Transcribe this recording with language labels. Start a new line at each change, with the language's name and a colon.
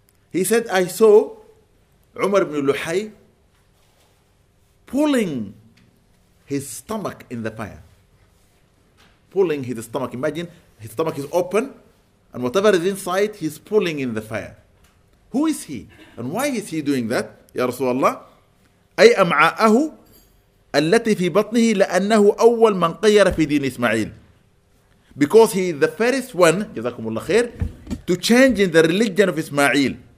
English: He said, I saw Umar ibn Luhay pulling his stomach in the fire. Pulling his stomach. Imagine his stomach is open and whatever is inside, he's pulling in the fire. Who is he? And why is he doing that?
Arabic: Ya Rasulullah. أي أمعاءه التي في بطنه لأنه أول من قير في دين إسماعيل.
English: Because he is the first one,
Arabic: جزاكم الله خير,
English: to change in the religion of Ismail.